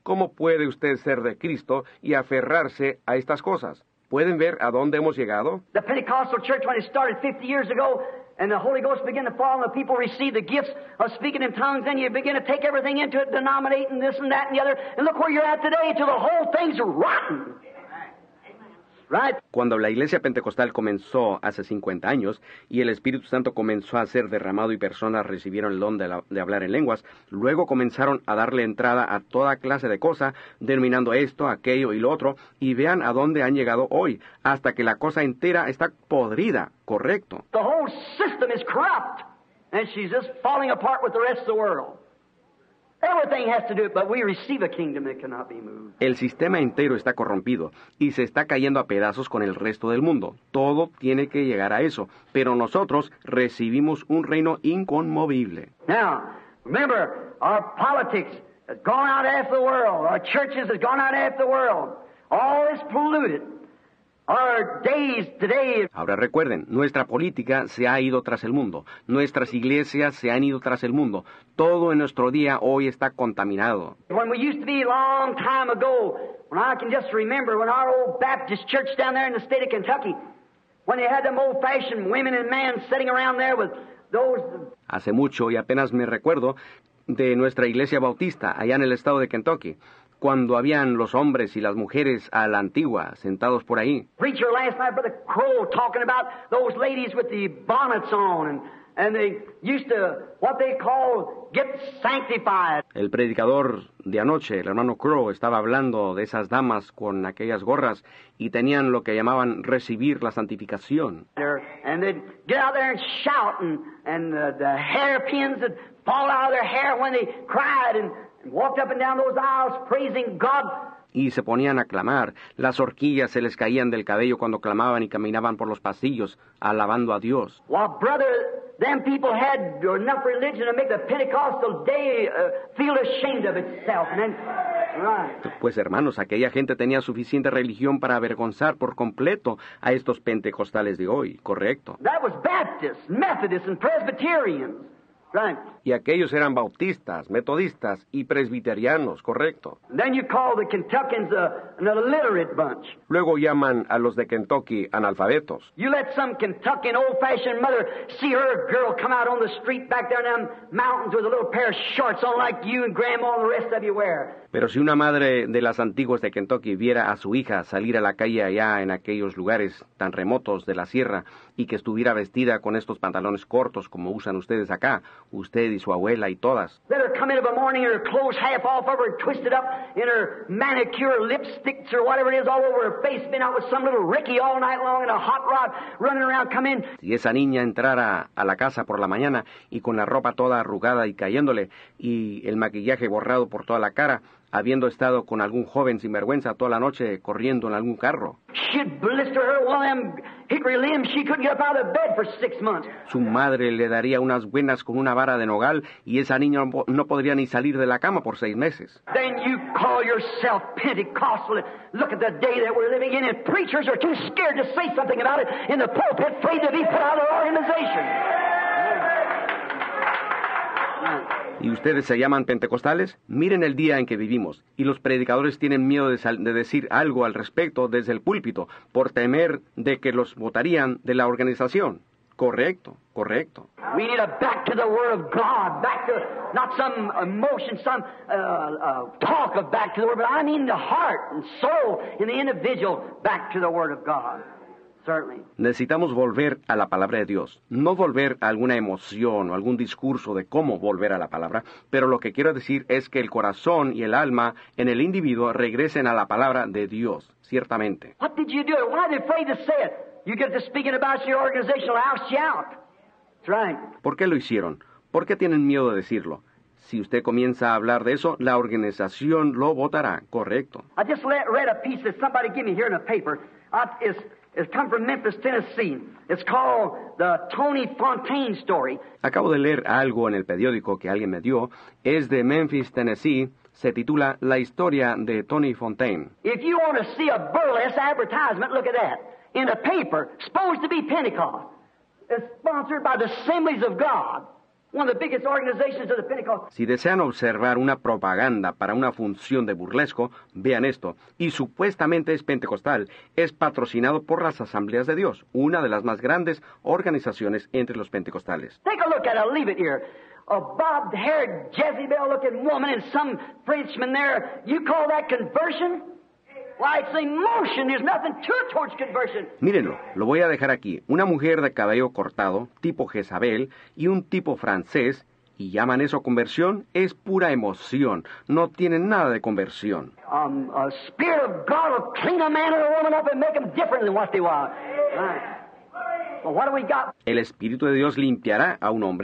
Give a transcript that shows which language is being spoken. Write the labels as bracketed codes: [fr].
[es] ¿Cómo puede usted ser de Cristo y aferrarse a estas cosas? ¿Pueden ver a dónde hemos llegado? [en] The Pentecostal church, when it started 50 years ago, and the Holy Ghost began to fall, and the people received the gifts of speaking in tongues, then you begin to take everything into it, denominating this and that and the other, and look where you're at today, until the whole thing's rotten. Right. [es] Cuando la iglesia pentecostal comenzó hace 50 años y el Espíritu Santo comenzó a ser derramado y personas recibieron el don de hablar en lenguas, luego comenzaron a darle entrada a toda clase de cosas, denominando esto, aquello y lo otro, y vean a dónde han llegado hoy, hasta que la cosa entera está podrida, correcto. [en] The whole system is corrupt, and she's just falling apart with the rest of the world. Everything has to do it, but we receive a kingdom that cannot be moved. [es] El sistema entero está corrompido y se está cayendo a pedazos con el resto del mundo. Todo tiene que llegar a eso, pero nosotros recibimos un reino inconmovible. [en] Now, remember, our politics has gone out after the world. Our churches has gone out after the world. All is polluted. Our days today. [es] Ahora recuerden, nuestra política se ha ido tras el mundo. Nuestras iglesias se han ido tras el mundo. Todo en nuestro día hoy está contaminado. [en] When we used to be a long time ago, when I can just remember, when our old Baptist church down there in the state of Kentucky, when they had them old-fashioned women and men sitting around there with those... [es] Hace mucho y apenas me recuerdo de nuestra iglesia bautista allá en el estado de Kentucky. Cuando habían los hombres y las mujeres a la antigua, sentados por ahí. [en] Preacher last night, Brother Crowe, talking about those ladies with the bonnets on, and they used to, what they call, get sanctified. [es] El predicador de anoche, el hermano Crowe, estaba hablando de esas damas con aquellas gorras, y tenían lo que llamaban recibir la santificación. [en] And they'd get out there and shout, and the hairpins would fall out of their hair when they cried, and... walked up and down those aisles praising God. [es] Y se ponían a clamar. Las horquillas se les caían del cabello cuando clamaban y caminaban por los pasillos, alabando a Dios. [en] Well, brother, them people had enough religion to make the Pentecostal day feel ashamed of itself. And then, right. [es] Pues hermanos, aquella gente tenía suficiente religión para avergonzar por completo a estos pentecostales de hoy, correcto. [en] That was Baptists, Methodists, and Presbyterians. Right. [es] Y aquellos eran bautistas, metodistas y presbiterianos, correcto. [en] Then you call the Kentuckians an illiterate bunch. [es] Luego llaman a los de Kentucky analfabetos. [en] You let some Kentuckian old-fashioned mother see her girl come out on the street back there in them mountains with a little pair of shorts on like you and grandma and the rest of you wear. [es] Pero si una madre de las antiguas de Kentucky viera a su hija salir a la calle allá en aquellos lugares tan remotos de la sierra y que estuviera vestida con estos pantalones cortos como usan ustedes acá, usted y su abuela y todas. [en] Let her come in of a morning, her clothes half off of her, twisted up in her manicure lipsticks or whatever it is all over her face, been out with some little Ricky all night long in a hot rod, running around, come in. [es] Si esa niña entrara a la casa por la mañana y con la ropa toda arrugada y cayéndole y el maquillaje borrado por toda la cara, habiendo estado con algún joven sinvergüenza toda la noche corriendo en algún carro. [en] She'd blister her one of them hickory limbs. She couldn't get up out of bed for 6 months. [es] Su madre le daría unas buenas con una vara de nogal y esa niña no podría ni salir de la cama por 6 meses. [en] Then you call yourself Pentecostal. Look at the day that we're living in, and preachers are too scared to say something about it in the pulpit, afraid to be put out of the organization. [es] ¿Y ustedes se llaman pentecostales? Miren el día en que vivimos, y los predicadores tienen miedo de decir algo al respecto desde el púlpito, por temer de que los botarían de la organización. Correcto, correcto. [en] We need a back to the word of God, back to, not some emotion, some talk of back to the word, but I mean the heart and soul in the individual back to the word of God. [es] Necesitamos volver a la palabra de Dios, no volver a alguna emoción o algún discurso de cómo volver a la palabra, pero lo que quiero decir es que el corazón y el alma en el individuo regresen a la palabra de Dios, ciertamente. [en] What did you do? Why are they afraid to say it? You get to speaking about your organization, I'll shout. That's right. [es] ¿Por qué lo hicieron? ¿Por qué tienen miedo de decirlo? Si usted comienza a hablar de eso, la organización lo votará, correcto. [en] I just read a piece that somebody gave me here in a paper. It's come from Memphis, Tennessee. It's called the Tony Fontaine story. [es] Acabo de leer algo en el periódico que alguien me dio. Es de Memphis, Tennessee. Se titula La historia de Tony Fontaine. [en] If you want to see a burlesque advertisement, look at that. In a paper, supposed to be Pentecost. It's sponsored by the Assemblies of God. One of the biggest organizations of the Pentecost. [es] Si desean observar una propaganda para una función de burlesco, vean esto. Y supuestamente es pentecostal, es patrocinado por las Asambleas de Dios, una de las más grandes organizaciones entre los pentecostales. [en] Take a look at it, I'll leave it here. A bobbed-haired Jezebel-looking woman and some Frenchman there. You call that conversion? Why, it's emotion. There's nothing to it towards conversion. [es] Mírenlo, lo voy a dejar aquí. Una mujer de cabello cortado, tipo Jezabel, y un tipo francés, y llaman eso conversión, es pura emoción. No tiene nada de conversión. [en] A spirit of God will clean a man or a woman up and make them different than what they were. Right. Well, what do we got? [es] El Espíritu de Dios limpiará a un hombre